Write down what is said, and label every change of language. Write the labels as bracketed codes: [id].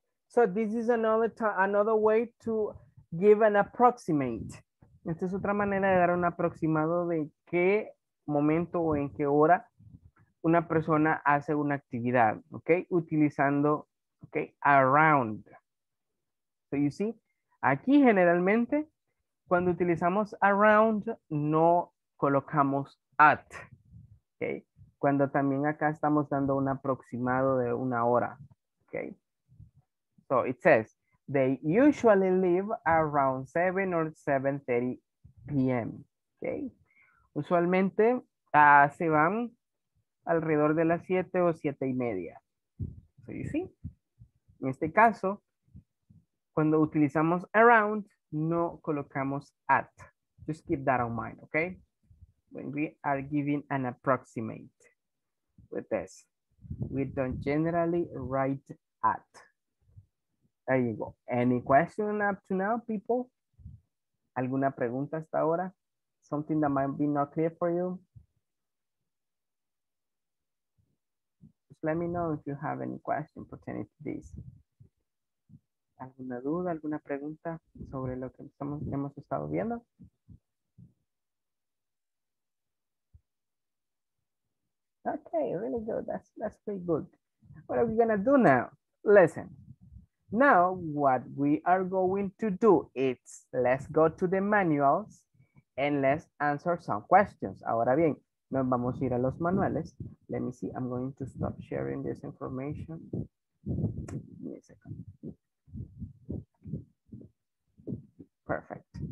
[en] So this is another way to give an approximate. [es] Esta es otra manera de dar un aproximado de qué momento o en qué hora una persona hace una actividad, okay, utilizando, okay, around. [en] So you see, [es] aquí generalmente cuando utilizamos around no colocamos at, okay, cuando también acá estamos dando un aproximado de una hora, okay. [en] So it says they usually leave around 7 or 7:30 p.m. [es] okay, usualmente se van alrededor de las 7 o 7:30. [en] So you see, [es] en este caso, cuando utilizamos around, no colocamos at. [en] Just keep that in mind, okay? When we are giving an approximate with this, we don't generally write at. There you go. Any question up to now, people? [es] ¿Alguna pregunta hasta ahora? [en] Something that might be not clear for you? Let me know if you have any question pertaining to this. [es] ¿Alguna duda, alguna pregunta sobre lo que hemos estado viendo? [en] Okay, really good. That's pretty good. What are we gonna do now? Listen. Now, what we are going to do is let's go to the manuals and let's answer some questions. [es] Ahora bien, nos vamos a ir a los manuales. [en] Let me see. I'm going to stop sharing this information. Give me a second. Perfect.